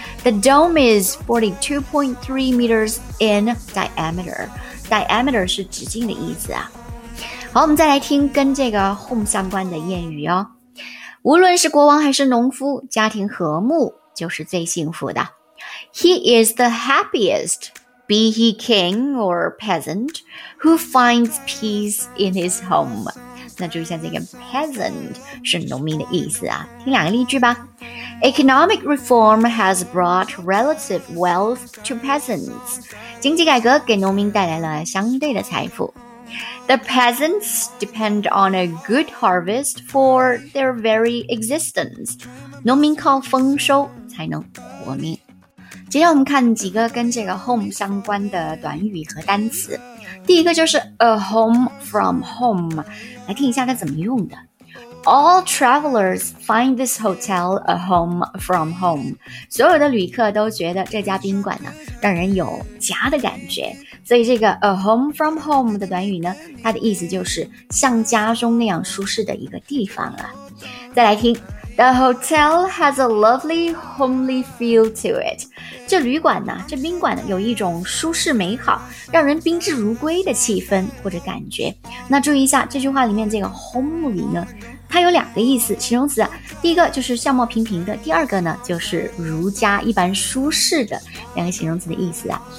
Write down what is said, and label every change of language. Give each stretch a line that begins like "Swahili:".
English: The dome is 42.3 meters in diameter.
Chinese: Diameter 是直径的意思啊。好，我们再来听跟这个 home 相关的谚语哦。无论是国王还是农夫，家庭和睦就是最幸福的。
English: He is the happiest, be he king or peasant, who finds peace in his home.
Chinese: 那注意一下这个 peasant 是农民的意思啊，听两个例句吧。
English: Economic reform has brought relative wealth to peasants.
Chinese: 经济改革给农民带来了相对的财富。
English: The peasants depend on a good harvest for their very existence.
Chinese: 农民靠丰收才能活命。接下来我们看几个跟这个 home 相关的短语和单词。第一个就是 a home from home， 来听一下它怎么用的。
English: All travelers find this hotel a home from home，
Chinese: 所有的旅客都觉得这家宾馆呢让人有家的感觉。所以这个 a home from home 的短语呢，它的意思就是像家中那样舒适的一个地方啊。再来听。
English: The hotel has a lovely homely feel to it.
Chinese: 这旅馆呢，这宾馆呢，有一种舒适美好，让人宾至如归的气氛或者感觉。那注意一下，这句话里面这个 homely 呢，它有两个意思，形容词，第一个就是相貌平平的，第二个呢，就是如家，一般舒适的，两个形容词的意思啊。